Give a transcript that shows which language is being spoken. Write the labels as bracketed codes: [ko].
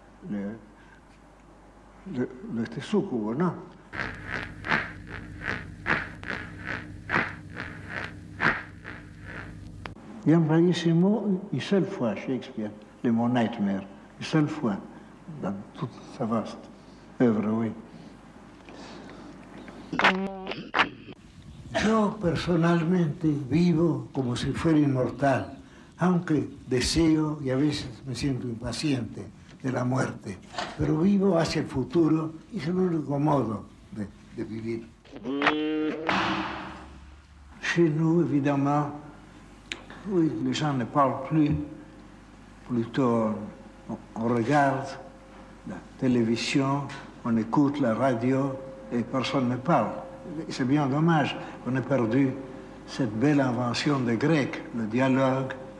[fr] Le succube, non? Il a employé ces mots une seule fois, Shakespeare, le mot nightmare, une seule fois, dans toute sa vaste œuvre, oui. Je, personnellement, [es] vivo comme si fuera immortal, aunque deseo y a veces me siento impaciente de la muerte, pero vivo hacia el futuro y es el único modo de vivir. [fr] Chez nous, évidemment, oui, les gens ne parlent plus, plutôt on regarde la télévision, on écoute la radio et personne ne parle. C'est bien dommage, on a perdu cette belle invention des Grecs, le dialogue.